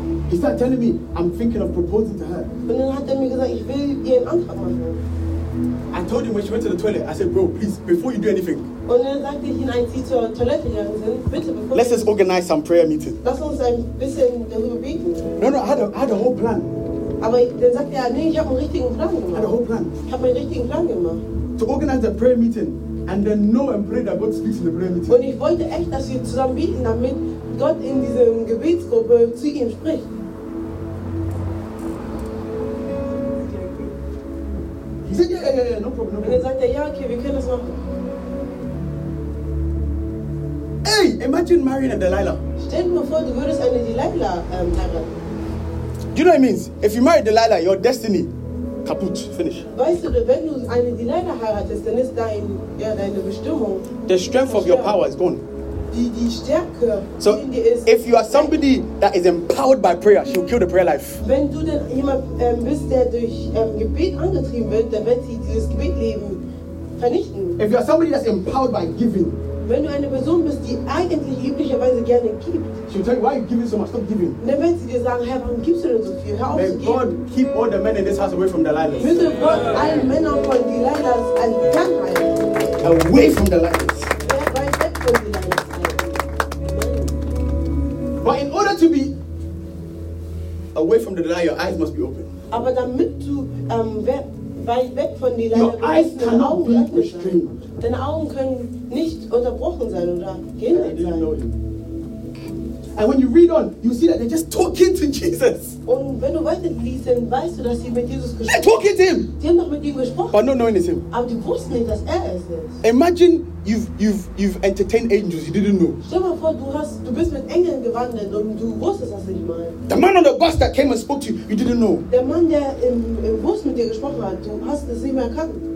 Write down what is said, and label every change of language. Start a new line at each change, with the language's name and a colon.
English: He started telling me, I'm thinking of proposing to her.
German: Und dann hat er mir gesagt, ich will ihr einen Antrag machen.
English: I told him when she went to the toilet, I said, bro, please, before you do anything.
German: Und dann sagte ich ihnen, als sie zur Toilette gegangen sind, bitte, bevor
English: let's just organize some prayer meeting.
German: Lass uns ein bisschen darüber beten.
English: No, I had a whole plan.
German: Aber dann sagte er, nee, ich habe einen richtigen Plan gemacht.
English: I had a whole plan.
German: Ich habe einen richtigen Plan gemacht.
English: To organize a prayer meeting and then know and pray that God speaks in the prayer meeting.
German: Und ich wollte echt, dass wir zusammen beten, damit Gott in dieser Gebetsgruppe zu ihm spricht.
English: He said, yeah, no problem, no problem.
German: Und dann sagte er, ja, okay, wir können das machen.
English: Hey, imagine marrying a Delilah.
German: Stell dir mal vor, du würdest eine Delilah heiraten.
English: Do you know what it means? If you marry Delilah, your destiny kaput, finish.
German: Weißt du, wenn du eine Delilah heiratest, dann ist deine Bestimmung.
English: The strength of your power is gone.
German: Die Stärke, so, die in dir ist.
English: If you are somebody that is empowered by prayer, she will kill the prayer life.
German: Wenn du denn jemand bist, der durch Gebet angetrieben wird, dann wird sie dieses Gebetleben vernichten.
English: If you are somebody that's empowered by giving.
German: Wenn du eine Person bist, die eigentlich üblicherweise gerne gibt,
English: she'll tell you, why are you giving so much? Stop giving.
German: Dann wird sie dir sagen, Herr, warum gibst du denn so viel? Hör auf zu geben.
English: May God keep all the men in this house away from Delilahs.
German: Möge Gott alle Männer von Delilahs entfernen.
English: Away from Delilahs.
German: Weit weg von Delilahs.
English: But in order to be away from the Delilah, your eyes must be open.
German: Aber damit du weit weg von Delilahs,
English: your eyes cannot be restrained.
German: Deine Augen können nicht unterbrochen sein oder gehindert sein.
English: And when you read on, you see that they're just talking to Jesus.
German: Und wenn du weiterliest, dann weißt du, dass sie mit Jesus gesprochen haben.
English: They're talking to him.
German: Die haben doch mit ihm gesprochen.
English: But not knowing it's him.
German: Aber die wussten nicht, dass er es ist.
English: Imagine you've entertained angels you didn't know.
German: Stell dir vor, du bist mit Engeln gewandelt und du wusstest das nicht mal.
English: The man on the bus that came and spoke to you, you didn't know.
German: Der Mann, der im Bus mit dir gesprochen hat, du hast es nicht mehr erkannt.